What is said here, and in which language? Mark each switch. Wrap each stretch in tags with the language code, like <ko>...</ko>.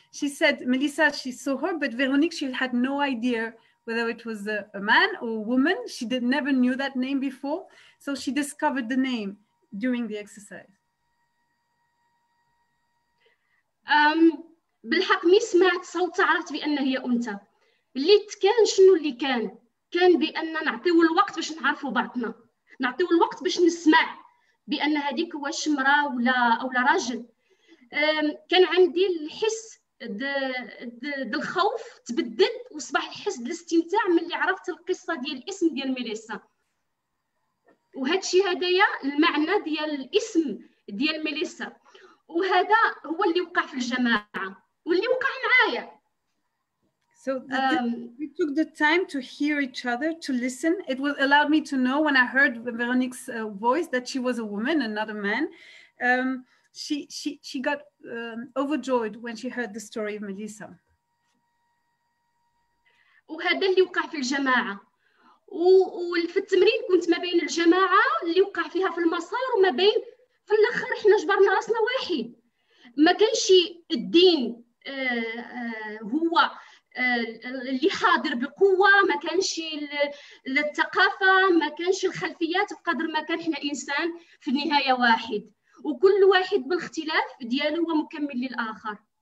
<en>She said, Melissa, she saw her, but Veronique, she had no idea whether it was a man or a woman. She never knew that name before. So she discovered the name during the exercise.</en> <ar>بالحق مي سمعت صوتها عرفت بأن هي أنت. اللي كان شنو اللي كان؟ كان بأن نعطيه الوقت باش نعرفه بعضنا. نعطيه الوقت باش نسمع بأن هذيك واش مرا ولا راجل. كان عندي الحس ديال الخوف تبدل وصبح الحس ديال الاستمتاع ملي عرفت القصه ديال الاسم ديال ميليسا وهذا الشيء هدايا المعنى ديال الاسم ديال ميليسا وهذا هو اللي وقع في الجماعه واللي وقع معايا.</ar> <en>So we took the time to hear each other, to listen. It was allowed me to know when I heard Veronique's voice that she was a woman and not a man. She got overjoyed when she heard the story of Melissa.</en> <ar>وهذا اللي وقع في الجماعة وفي التمرين كنت ما بين الجماعة اللي وقع فيها في المسار وما بين في الأخر إحنا جبرنا رأسنا واحد ما كانش الدين هو اللي حاضر بقوة ما كانش الثقافة ما كانش الخلفيات بقدر ما كان إحنا إنسان في النهاية واحد. وكل واحد بالاختلاف دياله هو مكمل للآخر.</ar>